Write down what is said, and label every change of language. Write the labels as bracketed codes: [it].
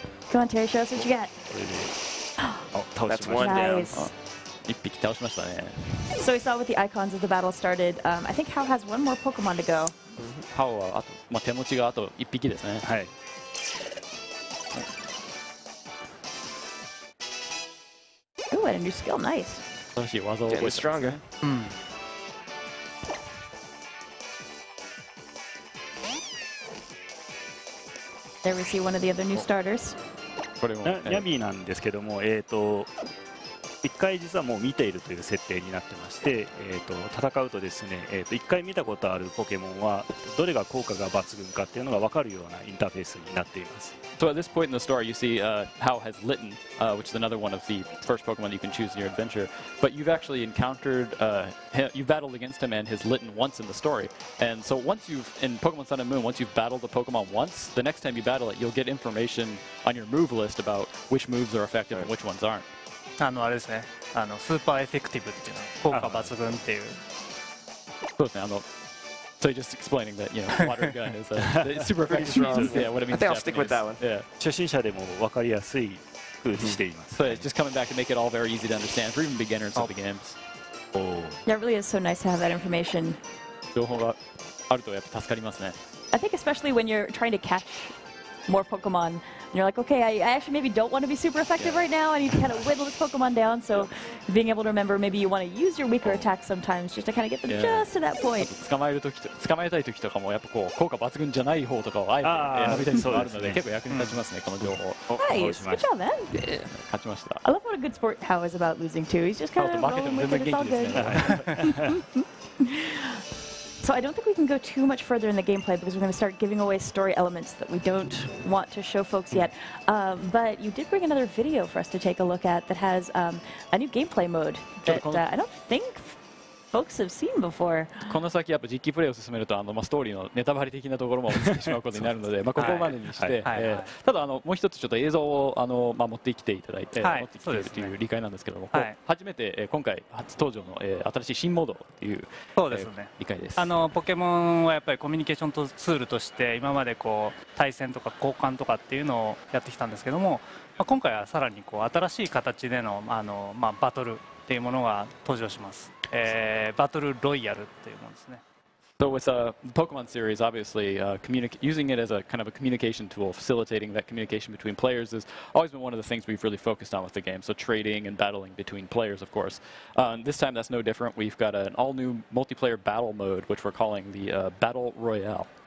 [en] Come on, Terry, show us what you got. Oh, that's one down. Nice. [ja] 一匹倒しましたね。 [en] So we saw with the icons as the battle started. I think Hao has one more Pokemon to go. [ja] Hao はあと、まあ、手持ちがあと一匹ですね。はい。 [en] Ooh, and a new skill, nice. [ja] 新しい技を覚え [en] た。Getting stronger. There we see one of the other new starters. [ja] これも。ヤビーなんですけども、一回実はもう見ているという設定になってまして、戦うとですね、一回見たことあるポケモンはどれが効果が抜群かっていうのが分かるようなインターフェースになっています。 [en] So at this point in the story, you see Hao has Litten, which is another one of the first Pokemon that you can choose in your adventure. But you've actually encountered, you've battled against him and his Litten once in the story. And so once you've, in Pokemon Sun and Moon, once you've battled a Pokemon once, the next time you battle it, you'll get information on your move list about which moves are effective and which ones aren't. [ja] あれですね、スーパーエフェクティブっていうの、効果抜群っていう。そうですね、 [en] So you're just explaining that, you know, water gun is super effective. Yeah, what it means Japanese. I think I'll stick with that one. Yeah. [ja] 初心者でも分かりやすい風にしています。 [en] So just coming back to make it all very easy to understand for even beginners of the games. That really is so nice to have that information. [ja] 情報があるとやっぱ助かりますね。 [en] I think especially when you're trying to catch more Pokemon. You're like, okay, I actually maybe don't want to be super effective right now. I need to kind of whittle this Pokemon down. So being able to remember maybe you want to use your weaker attacks sometimes just to kind of get them just to that point. [ja] 捕まえたい時とかもやっぱこう効果抜群じゃない方とかをあえて選びたい人があるので結構役に立ちますね、この情報。 [en] Nice. Good job, man. [ja] 勝ちました。 [en] I love what a good sport Hao is about losing too. He's just kind of rolling with it. It's all good. So I don't think we can go too much further in the gameplay because we're going to start giving away story elements that we don't want to show folks yet. But you did bring another video for us to take a look at that has a new gameplay mode that I don't think folks have seen before. [ja] この先やっぱ実機プレイを進めるとまあ、ストーリーのネタバレ的なところも落ちてしまうことになるので、まあ、ここまでにして、ただもう一つちょっと映像をまあ、持ってきていただいて、はい、持ってきているという理解なんですけども、はい、初めて、今回初登場の、新しい新モードという、そうですね、理解です。ポケモンはやっぱりコミュニケーションとツールとして今までこう対戦とか交換とかっていうのをやってきたんですけども、まあ、今回はさらにこう新しい形でのまあ、バトルっていうものが登場します。 Battle Royale っていうものですね。 [en] So with the Pokemon series, obviously, using it as a kind of a communication tool, facilitating that communication between players has always been one of the things we've really focused on with the game. So trading and battling between players, of course. This time, that's no different. We've got an all-new multiplayer battle mode, which we're calling the Battle Royale.